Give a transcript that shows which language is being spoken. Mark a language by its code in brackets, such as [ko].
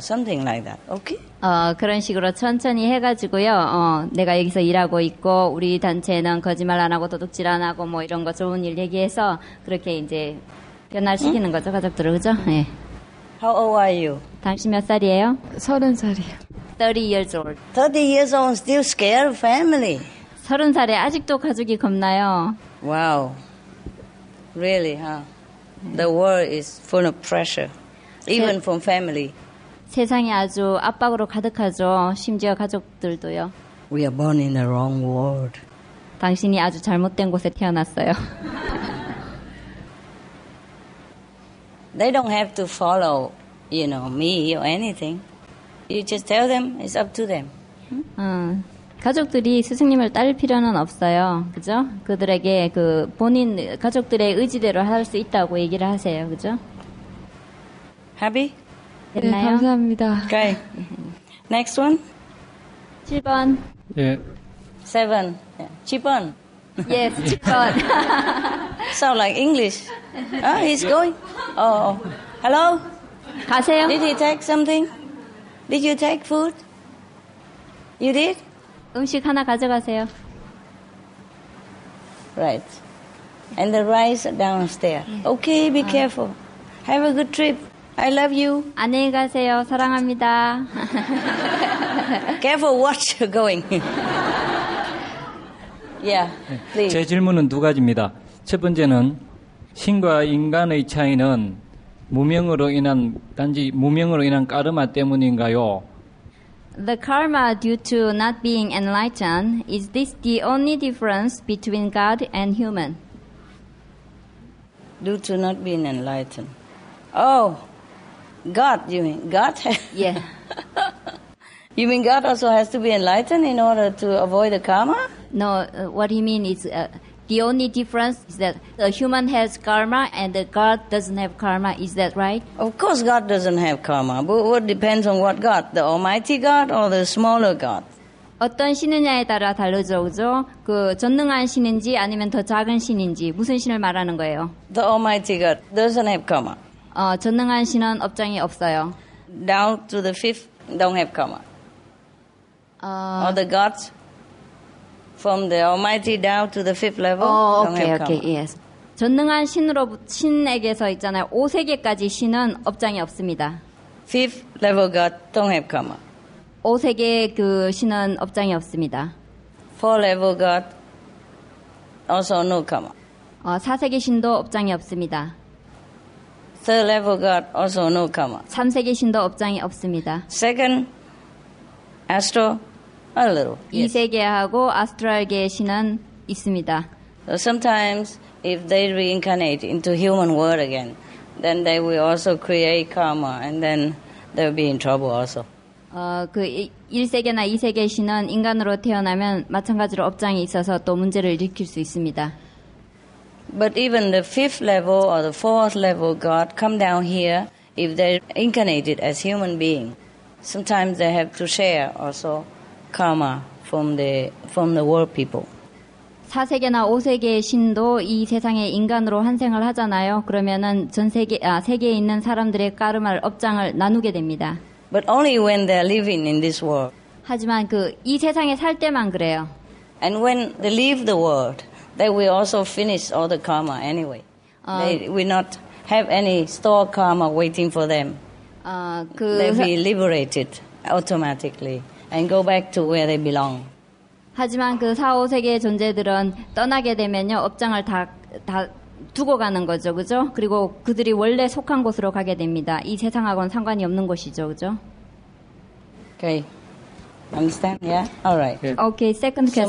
[en] Something like that. Okay. [ko] 그런 식으로 천천히 해가지고요. 내가 여기서 일하고 있고 우리 단체는 거짓말 안 하고 도둑질 안 하고 뭐 이런 거 좋은 일 얘기해서 그렇게 이제 변화시키는 응? 거죠 가족들을 그죠? 예. [en] How old are you? [ko] 당신 몇 살이에요? 서른 살이요. [en] 30 years old. 30 years old still scared family. [ko] 서른 살에 아직도 가족이 겁나요. [en] Wow, really, huh? The world is full of pressure, even from family. [ko] 세상이 아주 압박으로 가득하죠. 심지어 가족들도요. [en] We are born in the wrong world. [ko] 당신이 아주 잘못된 곳에 태어났어요. [en] They don't have to follow, you know, me or anything. You just tell them it's up to them. [ko] 가족들이 스승님을 따를 필요는 없어요. 그죠? 그들에게 그 본인 가족들의 의지대로 할 수 있다고 얘기를 하세요. 그죠? [en] Happy? [ko] 됐나요? 네, 감사합니다. [en] Okay. Next one. [ko] 7번. 예. 7. 7번. [en] Yes, [ko] 7번. [en] Sound like English. Oh, he's going. Oh, hello. [ko] 가세요. [en] Did he take something? Did you take food? You did? [ko] 음식 하나 가져가세요. [en] Right. And the rice downstairs. Okay, be careful. Have a good trip. I love you. [ko] 안녕히 가세요. 사랑합니다. [en] Careful, watch going. Yeah, please. [ko] 제 질문은 두 가지입니다. 첫 번째는 신과 인간의 차이는 무명으로 인한 단지 무명으로 인한 까르마 때문인가요? [en] The karma due to not being enlightened is this the only difference between God and human? Due to not being enlightened. Oh. God, you mean? God? Yeah. You mean God also has to be enlightened in order to avoid the karma? No, what he means is the only difference is that the human has karma and the God doesn't have karma. Is that right? Of course God doesn't have karma. But what depends on what God? The almighty God or the smaller God? [ko] 어떤 신이냐에 따라 다르죠, 그죠? 그 전능한 신인지 아니면 더 작은 신인지 무슨 신을 말하는 거예요? [en] The almighty God doesn't have karma. [ko] 전능한 신은 업장이 없어요. [en] Down to the fifth, don't have karma. Or the gods from the Almighty down to the fifth level, don't have karma. Okay, okay, yes. [ko] 전능한 신으로 신에게서 있잖아요. 5세계까지 신은 업장이 없습니다. [en] Fifth level god don't have karma. [ko] 5세계 그 신은 업장이 없습니다. [en] Four level god also no karma. [ko] 4세계 신도 업장이 없습니다. [en] Third level God also no karma. [ko] 3세계 신도 업장이 없습니다. [en] Second astral a little. [ko] 2세계하고 아스트랄계 신은 있습니다. [en] So sometimes if they reincarnate into human world again, then they will also create karma and then they'll be in trouble also. [ko] 그 1세계나 2세계 신은 인간으로 태어나면 마찬가지로 업장이 있어서 또 문제를 일으킬 수 있습니다. [en] But even the fifth level or the fourth level God come down here if they're incarnated as human being. Sometimes they have to share also karma from the world people. [ko] 4세계나 5세계의 신도 이 세상에 인간으로 환생을 하잖아요. 그러면은 전 세계 세계에 있는 사람들의 까르마를 업장을 나누게 됩니다. [en] But only when they're living in this world. [ko] 하지만 그 이 세상에 살 때만 그래요. [en] And when they leave the world they will also finish all the karma anyway. They will not have any store karma waiting for them. They will be liberated automatically and go back to where they belong. [ko] 하지만 그 4, 5세계의 존재들은 떠나게 되면요, 업장을 다 두고 가는 거죠, 그죠? 그리고 그들이 원래 속한 곳으로 가게 됩니다. 이 세상하고는 상관이 없는 곳이죠, 그죠? [en] Okay. Understand? Yeah? All right. Okay, second question.